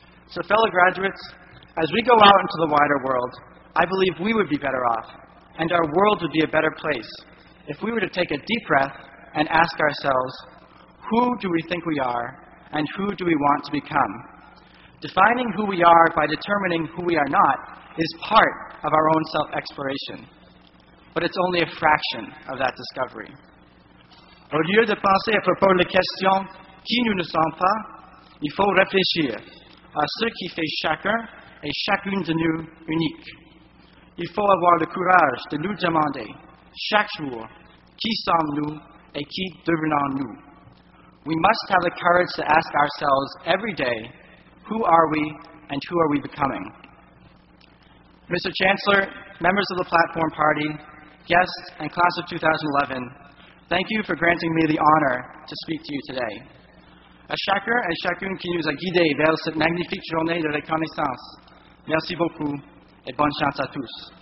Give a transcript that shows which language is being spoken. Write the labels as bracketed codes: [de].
[en] So fellow graduates, as we go out into the wider world, I believe we would be better off, and our world would be a better place, if we were to take a deep breath and ask ourselves, who do we think we are, and who do we want to become? Defining who we are by determining who we are not is part of our own self-exploration, but it's only a fraction of that discovery. [fr] Au lieu de penser à propos de la question « qui nous ne sommes pas », il faut réfléchir à ce qui fait chacun et chacune de nous unique. Il faut avoir le courage de nous demander chaque jour « qui sommes-nous et qui devenons-nous ». [en] We must have the courage to ask ourselves every day « who are we and who are we becoming ?» Mr. Chancellor, members of the Platform Party, guests, and class of 2011, thank you for granting me the honor to speak to you today. [fr] À chacun et chacune qui nous a guidés vers cette magnifique journée de reconnaissance, merci beaucoup et bonne chance à tous.